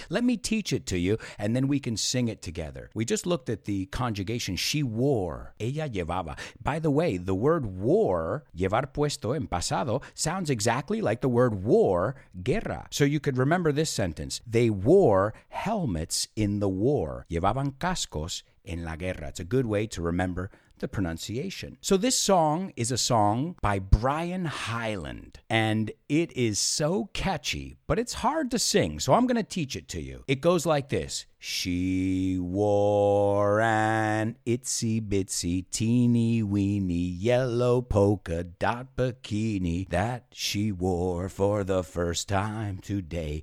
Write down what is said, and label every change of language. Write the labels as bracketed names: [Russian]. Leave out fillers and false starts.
[English] Let me teach it to you, and then we can sing it together. We just looked at the conjugation, she wore, [Spanish] ella llevaba. [English] By the way, the word wore, [Spanish] llevar puesto en pasado, [English] sounds exactly like the word war, [Spanish] guerra. [English] So you could remember this sentence, they wore helmets in the war. [Spanish] Llevaban cascos en la guerra. [English] It's a good way to remember the pronunciation. So this song is a song by Brian Hyland, and it is so catchy, but it's hard to sing, so I'm going to teach it to you. It goes like this. She wore an itsy bitsy teeny weeny yellow polka dot bikini that she wore for the first time today.